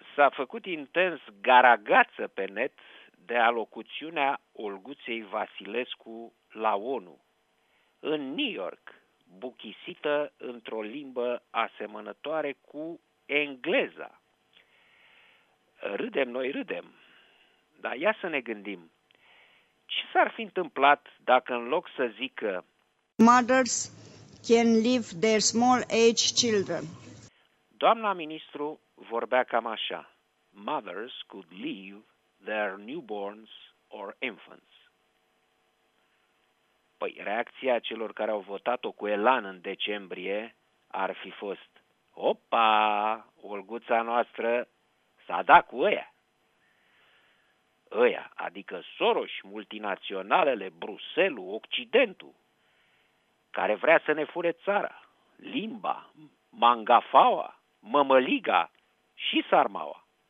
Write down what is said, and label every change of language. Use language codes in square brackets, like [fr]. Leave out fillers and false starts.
[ro] s-a făcut intens garagață pe net de alocuțiunea Olguței Vasilescu la ONU, în New York, buchisită într-o limbă asemănătoare cu engleza. Râdem noi, râdem, dar ia să ne gândim. Ce s-ar fi întâmplat dacă în loc să zică [en] Mothers can leave their small age children. [ro] Doamna ministru vorbea cam așa. [en] Mothers could leave their newborns or infants. [ro] Păi reacția celor care au votat-o cu elan în decembrie ar fi fost opa, Olguța noastră s-a dat cu ăia. Ăia, adică Soros, multinaționalele, Bruxelles, Occidentul, care vrea să ne fure țara, limba, mangafaua, mămăliga și sarmaua.